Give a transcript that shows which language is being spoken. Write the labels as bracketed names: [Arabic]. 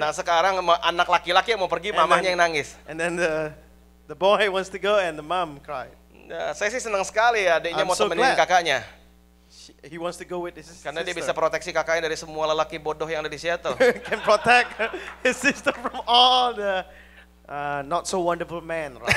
[Indonesian] Nah sekarang anak laki-laki yang mau pergi, mamahnya yang nangis. [English] And then the boy wants to go and the mom cried. [Indonesian] Nah, saya sih senang sekali ya, adiknya mau temenin kakaknya. [English] he wants to go with his sister. [Indonesian] Karena dia bisa proteksi kakaknya dari semua lelaki bodoh yang ada di Seattle. [English] Can protect his sister from all the not so wonderful men.